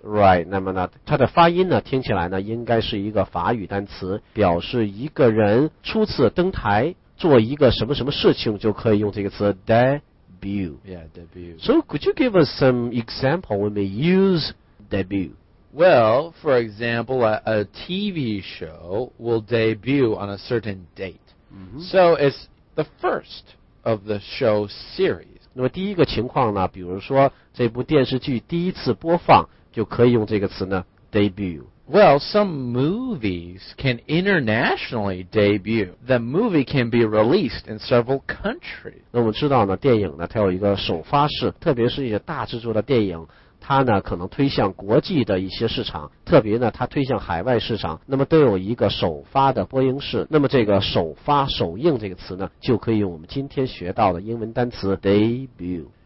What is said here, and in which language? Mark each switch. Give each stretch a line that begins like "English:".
Chinese: Right, 那么呢它的发音呢听起来呢应该是一个法语单词，表示一个人初次登台做一个什么什么事情，就可以用这个词 debut.
English: Yeah, debut. So could you give us some example when we use debut? Well, for example, a TV show will debut on a certain date. Mm-hmm. So it's the first of the show series.
Chinese: 那么第一个情况呢，比如说这部电视剧第一次播放，就可以用这个词呢 debut。
English: Well, some movies can internationally debut. The movie can be released in several countries.
Chinese: 那我们知道呢电影呢它有一个首发式，特别是一些大制作的电影，它呢可能推向国际的一些市场，特别呢它推向海外市场，那么都有一个首发的播映室。那么这个首发首映这个词呢就可以用我们今天学到的英文单词 debut。